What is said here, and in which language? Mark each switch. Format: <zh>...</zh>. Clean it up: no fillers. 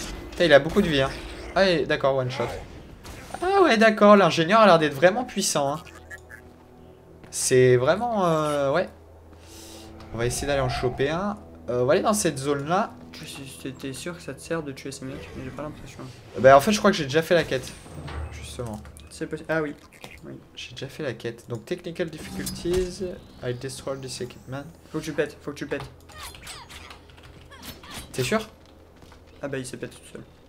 <fr>Putain, il a beaucoup de vie, hein. Ah ouais, d'accord, one shot. Ah ouais, d'accord, l'ingénieur a l'air d'être vraiment puissant. Hein. C'est vraiment... ouais. On va essayer d'aller en choper un. On va aller dans cette zone-là. Tu étais sûr que ça te sert de tuer ces mecs, mais j'ai pas l'impression. Bah en fait, je crois que j'ai déjà fait la quête. Justement. C'est possible. Ah oui. Oui. J'ai déjà fait la quête. Donc,</fr> <en>technical difficulties. I destroy this equipment.</en> <fr>Faut que tu pètes, faut que tu pètes. T'es sûr? Ah bah, il s'est pété tout seul.</fr>